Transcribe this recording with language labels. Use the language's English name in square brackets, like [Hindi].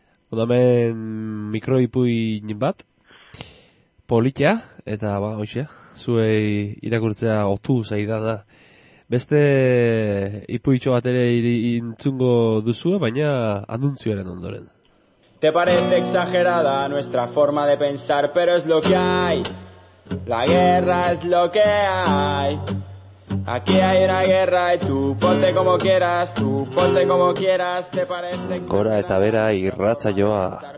[Basque] Odamen mikroipuin bat, politia, eta ba, hoxe, zuei irakurtzea otu zaidana. Beste ipuitxo bat ere intzungo duzue, baina anuntzioaren ondoren. [Spanish] Te parece exagerada nuestra forma de pensar, pero es lo que hay. La guerra es lo que hay. Aquí hay una guerra y tú ponte como quieras, tú ponte como quieras. Te parece exagerada. [Basque] Gora eta bera irratzaioa.